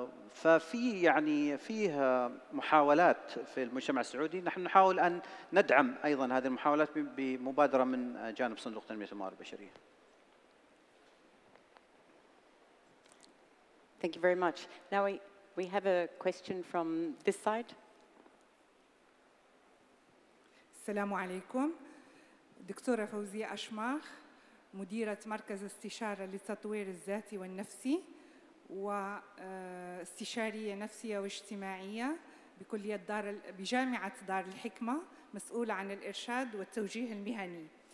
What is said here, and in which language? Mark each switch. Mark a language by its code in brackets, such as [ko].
[ar] ففي يعني فيها محاولات في المجتمع السعودي، نحن نحاول أن ندعم أيضا هذه المحاولات بمبادرة من جانب صندوق تنمية الموارد البشرية. [en] Thank you very much. Now we have a question from this side. [ar] السلام عليكم. دكتورة فوزية أشماخ، مديرة مركز استشارة للتطوير الذاتي والنفسي واستشارية نفسية واجتماعية بكلية بجامعة دار الحكمة، مسؤولة عن الإرشاد والتوجيه المهني.